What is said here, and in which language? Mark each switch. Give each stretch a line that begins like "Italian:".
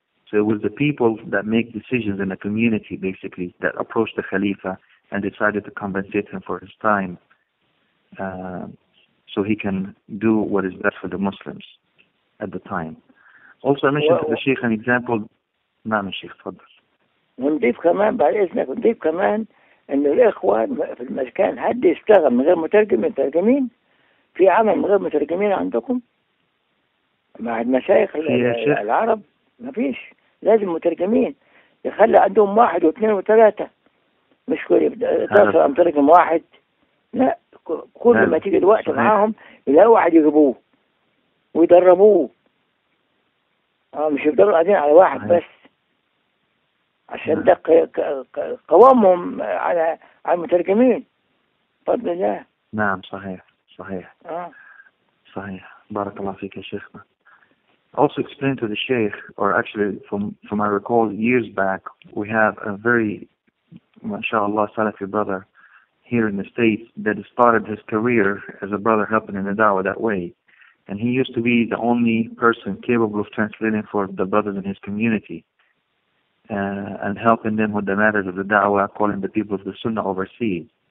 English: So it was the people that make decisions in a community, basically, that approached the Khalifa and decided to compensate him for his time so he can do what is best for the Muslims at the time. Also, I mentioned to the Sheikh an example.
Arabic: نعم الشيخ تفضل. ونضيف كمان بعد إذنك ونضيف كمان أن الإخوة في المكان حد يشتغل من غير مترجم من ترجمين في عمل من غير مترجمين عندكم مع المشايخ العرب ما فيش لازم مترجمين يخلي عندهم واحد واثنين وثلاثة مش كل يبدأ مترجم واحد لا كل ما تيجي الوقت معاهم يلاقي واحد يجيبوه ويدربوه مش يفضلوا قاعدين على واحد بس عشان ده قوامهم على المترجمين بفضل الله. نعم صحيح صحيح صحيح بارك الله فيك يا شيخنا.
English: Also explained to the Sheikh, or actually from I recall years back, we have a very, mashallah, Salafi brother here in the States that started his career as a brother helping in the da'wah that way. And he used to be the only person capable of translating for the brothers in his community and helping them with the matters of the da'wah, calling the people of the sunnah overseas.